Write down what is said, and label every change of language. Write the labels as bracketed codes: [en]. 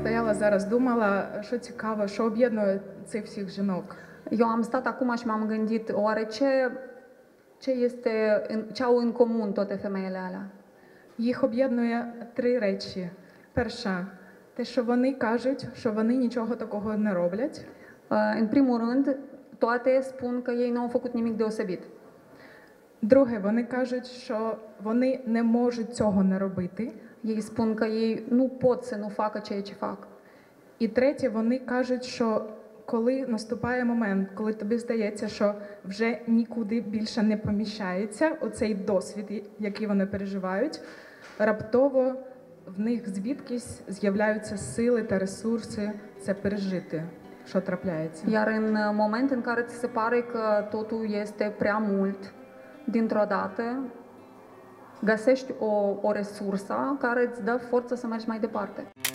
[uk] Зараз думала, що цікаво, що об'єднує цих всіх жінок. [ro] Eu am stat acum și m-am gândit, oare ce este, ce au în comun toate femeile alea? [uk] Їх об'єднує три речі. Перша, те, що вони кажуть, що вони нічого такого не роблять. [ro] În primul rând, toate spun că ei nu au făcut nimic deosebit. [uk] Друге, вони кажуть, що вони не можуть цього не робити. [ro] Ei spun că ei nu pot să nu facă ceea ce fac. [uk] І третє, вони кажуть, що коли наступає момент, коли тобі здається, що вже нікуди більше не поміщається оцей досвід, який вони переживають, раптово в них звідкись з'являються сили та ресурси це пережити, що трапляється. [ro] Iar în moment în care ți se pare că totul este prea mult, dintr-o dată găsești o resursă care îți dă forță să mergi mai departe.